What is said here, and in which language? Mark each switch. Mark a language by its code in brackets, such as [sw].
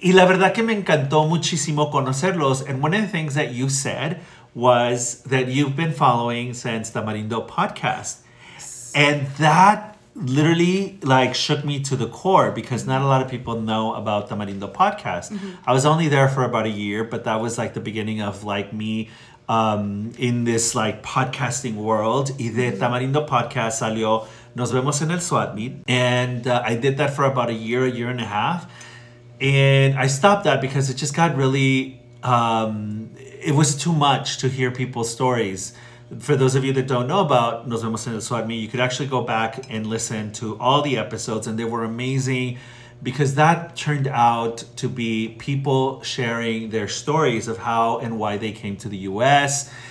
[es] Y la verdad que me encantó muchísimo conocerlos. [en] And one of the things that you said was that you've been following since the Marindo podcast. And that... literally like shook me to the core because not a lot of people know about the Marindo podcast. Mm-hmm. I was only there for about a year, but that was like the beginning of like me in this like podcasting world. [es] Y de Tamarindo podcast salió Nos Vemos en el Swap Meet. [en] And I did that for about a year and a half. And I stopped that because it just got really, it was too much to hear people's stories. For those of you that don't know about Nos Vemos en el Swap Meet, you could actually go back and listen to all the episodes, and they were amazing because that turned out to be people sharing their stories of how and why they came to the U.S.